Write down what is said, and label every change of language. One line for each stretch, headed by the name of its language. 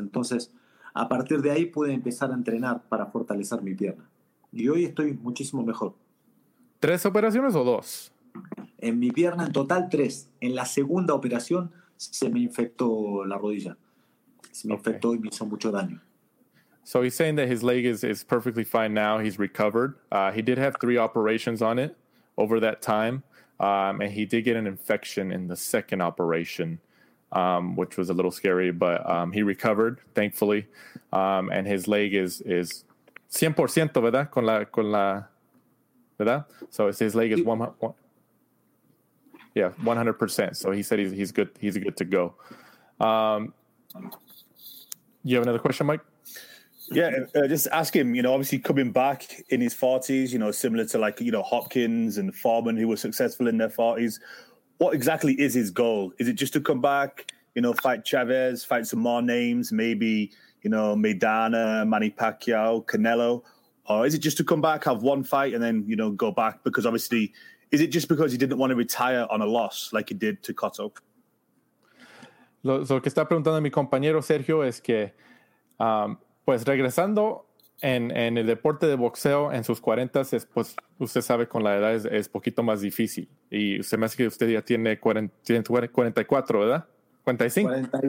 Spanish: Entonces, a partir de ahí pude empezar a entrenar para fortalecer mi pierna. Y hoy estoy muchísimo mejor. ¿Tres operaciones o dos? En mi pierna, en total, tres. En la segunda operación se me infectó la rodilla. Se me infectó y me hizo mucho daño.
English: So he's saying that his leg is perfectly fine now. He's recovered. He did have three operations on it over that time. And he did get an infection in the second operation, which was a little scary, but he recovered, thankfully. And his leg is 100%,
Spanish: ¿verdad? Con la, ¿verdad?
English: So his leg is 100%. So he said he's good. He's good to go. You have another question, Mike? Yeah, just ask him, you know, obviously coming back in his 40s, you know, similar to like, you know, Hopkins and Foreman, who were successful in their 40s. What exactly is his goal? Is it just to come back, you know, fight Chavez, fight some more names, maybe, you know, Maidana, Manny Pacquiao, Canelo? Or is it just to come back, have one fight and then, you know, go back? Because obviously, is it just because he didn't want to retire on a loss like he did to Cotto?
Spanish: Lo que está preguntando mi compañero Sergio es que... pues regresando en el deporte de boxeo en sus 40s, pues usted sabe con la edad es poquito más difícil. Y usted me hace que usted ya tiene 44, ¿verdad?